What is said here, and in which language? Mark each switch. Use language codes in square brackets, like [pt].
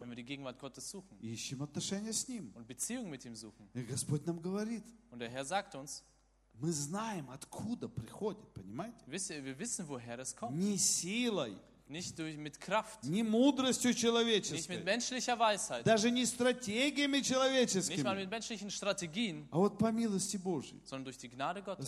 [de] wenn wir die Gegenwart Gottes suchen, [ru] ищем отношения с Ним, [de] und Beziehung mit ihm suchen, [ru] и Господь нам говорит, [de] und der Herr sagt uns, [ru] мы знаем, откуда приходит, понимаете? [de] Wir wissen, woher es kommt. [ru] Не силой, [de] nicht durch, mit Kraft, [ru] не мудростью человеческой, [de] nicht mit menschlicher Weisheit, [ru] даже не стратегиями человеческими, [de] nicht mal mit menschlichen Strategien, [ru] а вот по милости Божьей, [de] sondern durch die Gnade Gottes.